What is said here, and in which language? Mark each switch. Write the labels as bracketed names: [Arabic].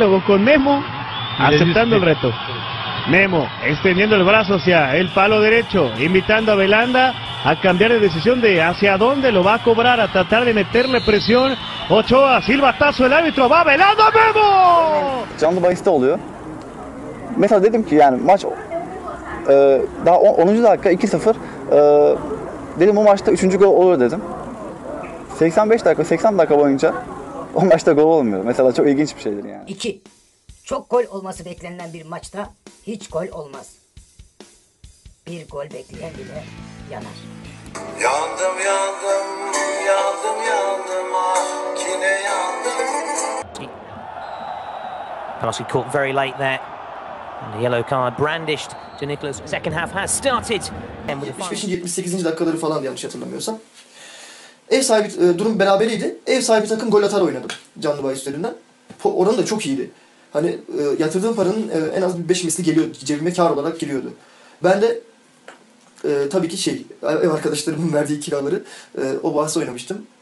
[Spanish] Diálogo con Memo, aceptando el reto. Memo, extendiendo el brazo hacia el palo derecho, invitando a Belanda a cambiar de decisión de hacia dónde lo va a cobrar, a tratar de meterle presión. Ochoa, silbatazo, el árbitro va velando a Memo. [Turkish] Canlı bahiste oluyor. Mesela dedim ki yani maç daha 10. dakika 2-0. Dedim bu maçta 3. gol olur dedim. 80 dakika boyunca o maçta gol olmuyor. Mesela çok ilginç bir şeydir yani. 2. Çok gol olması beklenilen bir maçta hiç gol olmaz. Bir gol bekleyen bile yanar. Yandım yandım, yandım yandım, ah kine yandım. [English] Penalty caught very late there. And the yellow card brandished to Nicholas. Second half has started. [Turkish] 75'in 78. dakikaları falan yanlış hatırlamıyorsam. Ev sahibi durum berabereydi. Ev sahibi takım gol atar oynadı canlı bahis üzerinden. Oran da çok iyiydi. Hani yatırdığım paranın en az 5 misli geliyordu, cebime kar olarak geliyordu. Ben de tabii ki şey, ev arkadaşlarımın verdiği kiraları o bahse oynamıştım.